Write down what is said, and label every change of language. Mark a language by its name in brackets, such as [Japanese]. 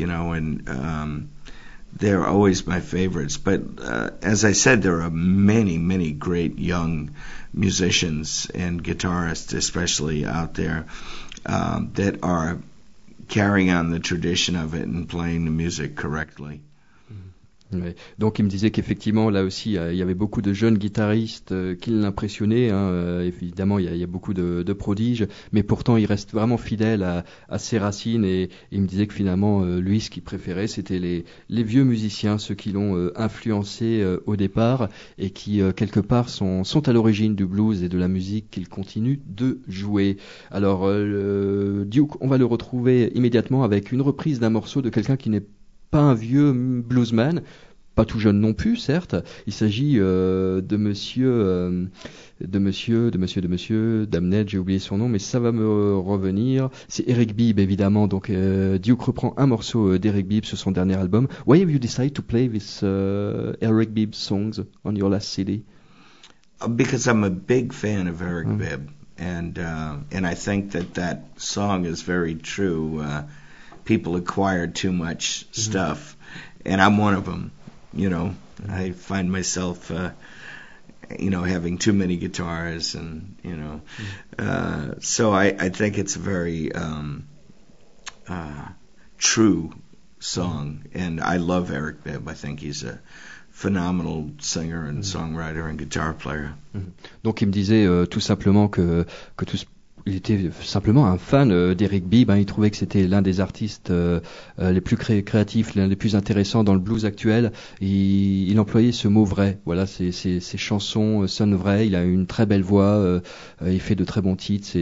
[English] You know, and they're always my favorites. But as I said, there are many, many great young musicians and guitarists, especially out there, that are carrying on the tradition of it and playing the music correctly. [French] Oui. Donc il me disait qu'effectivement là aussi il y avait beaucoup de jeunes guitaristes qui l'impressionnaient, hein. Évidemment il y a beaucoup de prodiges, mais pourtant il reste vraiment fidèle à ses racines, et il me disait que finalement lui ce qu'il préférait c'était les vieux musiciens, ceux qui l'ont influencé au départ et qui quelque part sont à l'origine du blues et de la musique qu'il continue de jouer. Alors Duke, on va le retrouver immédiatement avec une reprise d'un morceau de quelqu'un qui n'est pas un vieux bluesman, pas tout jeune non plus, certes. Il s'agit de monsieur, Damned, j'ai oublié son nom, mais ça va me revenir. C'est Eric Bibb, évidemment. Donc, Duke reprend un morceau d'Eric Bibb sur son dernier album. [English] Why have you decided to play this Eric Bibb songs on your last CD? Because I'm a big fan of Eric Bibb, and I think that song is very true. People acquire too much stuff, and I'm one of them. You know, I find myself, you know, having too many guitars, and you know, so I think it's a very true song, and I love Eric Bibb. I think he's a phenomenal singer and songwriter and guitar player. [French] Donc il me disait tout simplement que tout. Il était simplement un fan d'Eric Bibb, hein. Il trouvait que c'était l'un des artistes les plus créatifs, l'un des plus intéressants dans le blues actuel. Il employait ce mot vrai. Voilà, ses chansons sonnent vraies. Il a une très belle voix, il fait de très bons titres.